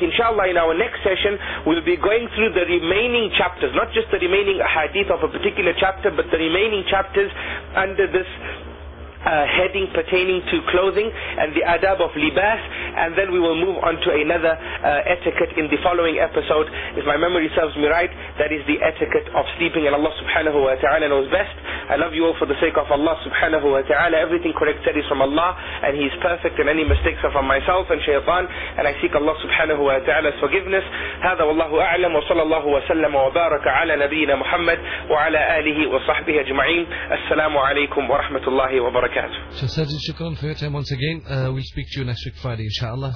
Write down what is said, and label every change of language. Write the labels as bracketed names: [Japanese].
[English] Inshallah, in our next session, we'll be going through the remaining chapters, not just the remaining hadith of a particular chapter, but the remaining chapters under this heading pertaining to clothing and the adab of libas, and then we will move on to another etiquette in the following episode. If my memory serves me right, that is the etiquette of sleeping, and Allah subhanahu wa ta'ala knows best. I love you all for the sake of Allah subhanahu wa ta'ala. Everything correct said is from Allah, and He is perfect, and any mistakes are from myself and shaytan, and I seek Allah subhanahu wa ta'ala's forgiveness. [Arabic] هذا والله أعلم وصلى الله وسلم وبارك على نبينا محمد وعلى آله وصحبه أجمعين. السلام عليكم ورحمة الله وبركاته. [English] So, Sajid, shukran for your time once again. We'll speak to you next week, Friday, inshallah.